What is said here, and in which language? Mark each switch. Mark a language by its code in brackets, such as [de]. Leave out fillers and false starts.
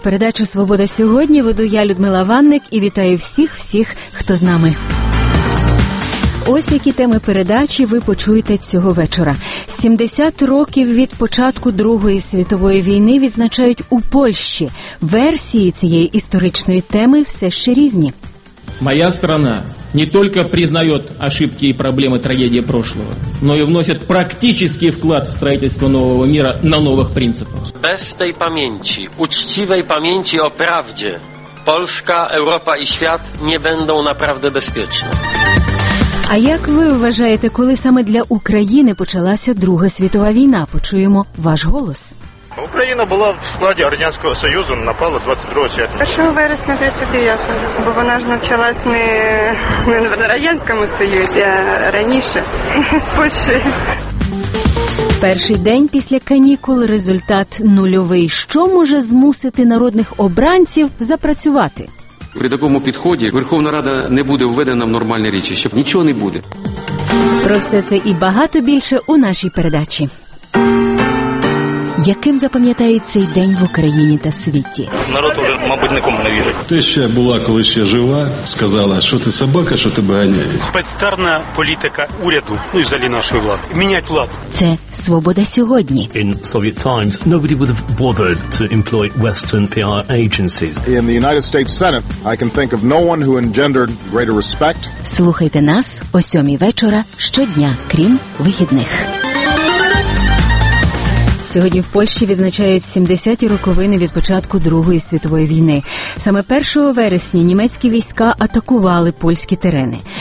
[uk] Передачу «Свобода сьогодні» веду я, Людмила Ванник, і вітаю всіх-всіх, хто з нами. Ось які теми передачі ви почуєте цього вечора. 70 років від початку Другої світової війни відзначають у Польщі. Версії цієї історичної теми все ще різні. [ru] Моя страна не только признает ошибки и проблемы трагедии прошлого, но и вносит практический вклад в строительство нового мира на новых принципах. Без этой памяти, учтивой памяти о правде, Польша, Европа и свят не будут направду безопасны. [uk] А як ви вважаєте, коли саме для України почалася Друга світова війна? Почуємо ваш голос. Україна була в складі Радянського Союзу, напала 22 червня. 1 вересня 39-го, бо вона ж почалась не в Радянському Союзі, а раніше, з Польщі. Перший день після канікул – результат нульовий. Що може змусити народних обранців запрацювати? При такому підході Верховна Рада не буде введена в нормальні речі, щоб нічого не буде. Про все це і багато більше у нашій передачі. Яким запам'ятає цей день в Україні та світі? Народ уже, мабуть, нікому не вірить. Ти ще була, коли ще жива, сказала, що ти собака, що тебе ганяють. Безцарна політика уряду, ну і взагалі нашої влади. Міняти владу. Це «Свобода сьогодні». [en] In Soviet times, nobody would have bothered to employ Western PR agencies. In the United States Senate, I can think of no one who engendered greater respect. [uk] Слухайте нас о 7 вечора щодня, крім вихідних. Сьогодні в Польщі відзначають 70-ті роковини від початку Другої світової війни. Саме 1 вересня німецькі війська атакували польські терени.